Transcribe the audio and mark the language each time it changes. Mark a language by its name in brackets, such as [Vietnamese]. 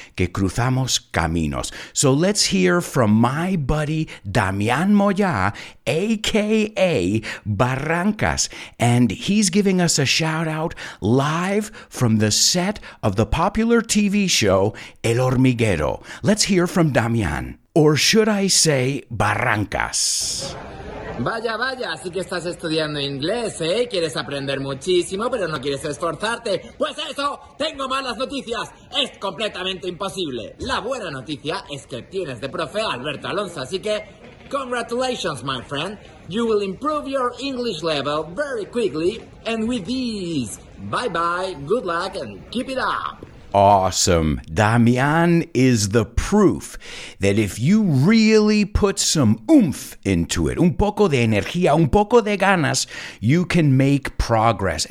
[Spanish] Que cruzamos caminos. [English] So let's hear from my buddy, Damian Moya, a.k.a. Barrancas. And he's giving us a shout out live from the set of the popular TV show, El Hormiguero. Let's hear from Damian. Or should I say Barrancas? [Spanish] Vaya, vaya, así que estás estudiando inglés, ¿eh? Quieres aprender muchísimo, pero no quieres esforzarte. ¡Pues eso! ¡Tengo malas noticias! ¡Es completamente imposible! La buena noticia es que tienes de profe Alberto Alonso, así que... [English] ¡Congratulations, my friend! You will improve your English level very quickly and with these. Bye-bye, good luck, and keep it up! Awesome. Damian is the proof that if you really put some oomph into it, [Spanish] un poco de energía, un poco de ganas, [English] you can make progress.